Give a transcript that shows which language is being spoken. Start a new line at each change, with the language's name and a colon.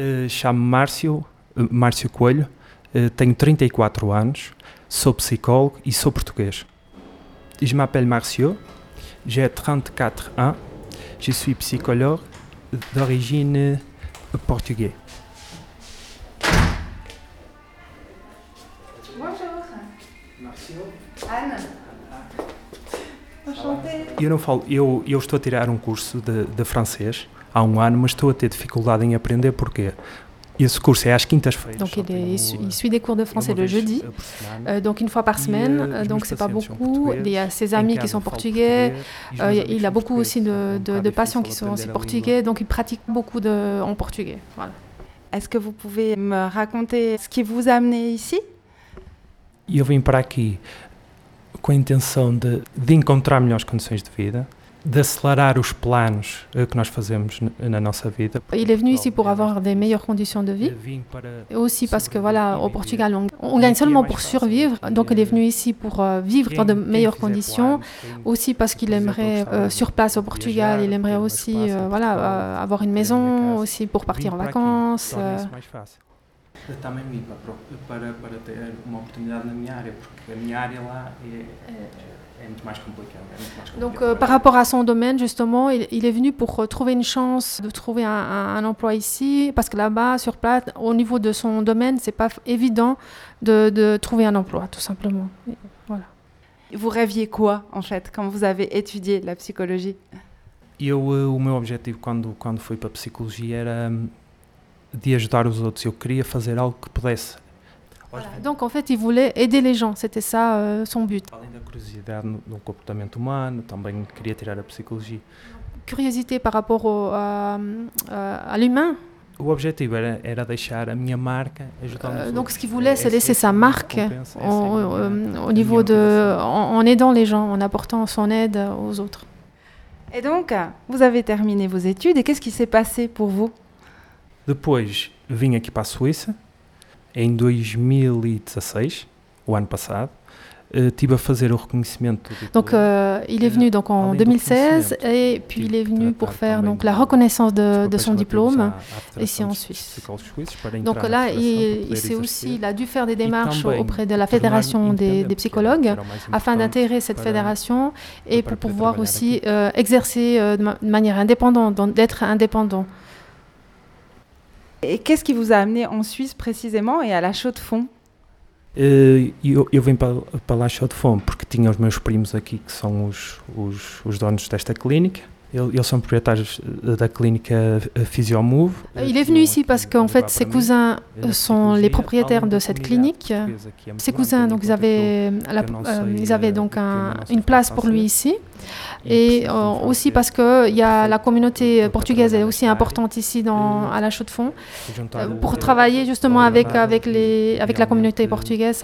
Portuguese: Chamo-me Márcio Coelho, tenho 34 anos, sou psicólogo e sou português.
French: Je m'appelle Márcio, j'ai 34 ans, je suis psychologue d'origine portugaise. Anne.
Portuguese: Eu não falo, eu estou a tirar um curso de francês há um ano, mas estou a ter dificuldade em aprender porque esse curso é às quintas-feiras.
French: Donc il est il suit des cours de français le jeudi. Donc une fois par semaine, donc c'est pas beaucoup, il y a ses amis qui sont portugais, il a beaucoup aussi de patients qui sont aussi portugais, donc il pratique beaucoup en portugais, voilà. Est-ce que vous pouvez me raconter ce qui vous a amené ici?
Portuguese: Eu vim para aqui com a intenção de encontrar melhores condições de vida, de acelerar os planos que nós fazemos na nossa vida. Ele veio aqui para ter melhores condições de vida. E também porque, voilà, o Portugal,
French: on gagne seulement pour survivre. Donc,
Portuguese: ele veio aqui para
French: vivre dans de
Portuguese: melhores condições.
French: Aussi parce qu'il aimerait, sur place au Portugal, il aimerait aussi, voilà, avoir une maison, aussi pour partir en vacances.
Portuguese: Também vim para ter uma oportunidade na minha área, porque a minha área lá é muito mais complicada.
French: Donc, par rapport à son domaine, justement, il est venu pour trouver une chance de trouver un emploi ici, parce que là-bas, sur place, au niveau de son domaine, c'est pas évident de trouver un emploi, tout simplement. Voilà. Vous rêviez quoi, en fait, quand vous avez étudié la psychologie?
Portuguese: O meu objectif, quando fui para a psychologie, era de ajudar os outros. Eu queria fazer algo que pudesse.
French: Donc, en fait, il voulait aider les gens. C'était ça, son but.
Portuguese: Além da curiosidade no comportamento humano, também queria tirar a psicologia.
French: Curiosité par rapport à l'humain.
Portuguese: O objetivo era deixar a minha marca, ajudando os outros.
French: Donc, ce qu'il voulait, c'est laisser sa marque au niveau de... En aidant les gens, en apportant son aide aux autres. Et donc, vous avez terminé vos études. Et qu'est-ce qui s'est passé pour vous?
Portuguese: Depois vim aqui para a Suíça, em 2016, o ano passado, tive a fazer o reconhecimento.
French: Donc, il est venu donc en 2016 et puis il est venu pour faire donc la reconnaissance de son diplôme ici en Suisse. Donc là, il s'est aussi, il a dû faire des démarches auprès de la Fédération des psychologues afin d'intégrer cette fédération et pour pouvoir aussi exercer de manière indépendante, donc d'être indépendant. Et qu'est-ce qui vous a amené en Suisse précisément et à La Chaux-de-Fonds?
Portuguese: Eu vim para La Chaux-de-Fonds porque tinha os meus primos aqui, que são os donos desta clínica. Eles são proprietários da clínica Physiomove.
French: Il est venu ici parce qu'en fait ses cousins sont les propriétaires de cette clinique. Ses cousins, donc ils avaient donc une place pour lui ici. Et aussi parce que il y a la communauté portugaise est aussi importante ici à La Chaux-de-Fonds pour travailler justement avec la communauté portugaise.